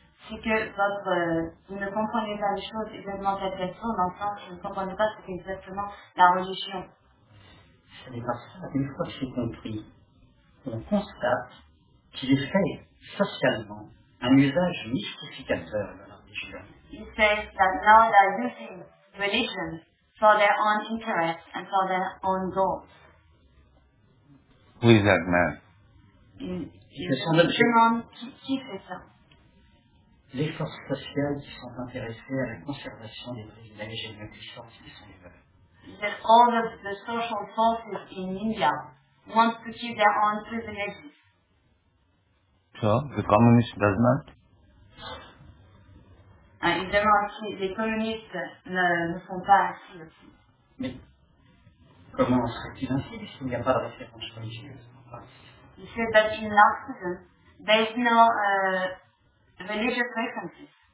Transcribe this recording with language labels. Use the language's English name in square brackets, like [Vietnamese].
[French] C'est que vous ne comprenez pas les choses exactement telles qu'elles sont, dans le sens que vous ne comprenez pas ce qu'est exactement la religion. Ce n'est pas ça. Une fois que j'ai compris, on constate qu'il est fait socialement un usage mystificateur de la religion. [English] Il says that now they are using religion for their own interests and for their own goals. Who is that man? [French] Qui fait ça? Les forces sociales qui sont intéressées à la conservation des privilèges et de la puissance qui sont les leurs. [English] That all of the social forces in India want to keep their own privileges. So, the communist does not? [French] Évidemment, les communistes ne font pas ainsi aussi. Mais comment serait-il ainsi s'il n'y a pas de référence religieuse? [English] He said that in Marxism, there is no religious references.